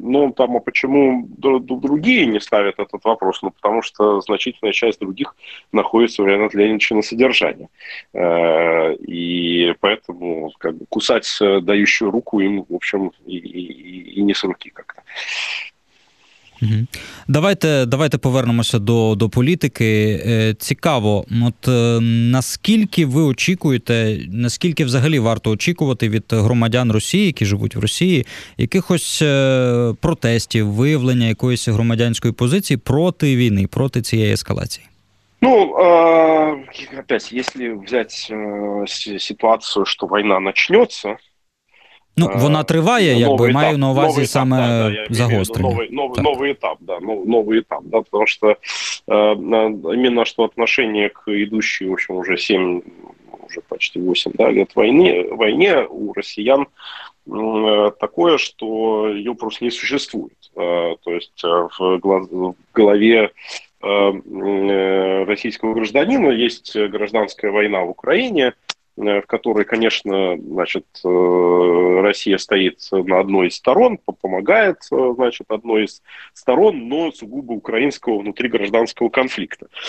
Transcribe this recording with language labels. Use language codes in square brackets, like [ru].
[ru] Ну, там, а почему другие не ставят этот вопрос? Ну, потому что значительная часть других находится у Леонида Леонидовича на содержании. И поэтому, как бы, кусать дающую руку им, в общем, и не с руки как-то. [uk] Давайте повернемося до політики. Цікаво, от наскільки ви очікуєте, наскільки взагалі варто очікувати від громадян Росії, які живуть в Росії, якихось протестів, виявлення якоїсь громадянської позиції проти війни, проти цієї ескалації? [ru] Ну, опять, если взять ситуацию, что война начнется... [uk] Ну, вона триває, якби, маю на увазі саме загострення. Новий етап, да, новий етап, да, тому що іменно, що відношення к ідущій, [ru] в общем, уже 7, уже почти 8, [uk] да, лет війні у росіян [ru] такое, что ее просто не существует. То есть в голове российского гражданина есть гражданская война в Украине, в которой, конечно, значит, Россия стоит на одной из сторон, помогает, значит, одной из сторон, но сугубо украинского внутригражданского конфликта.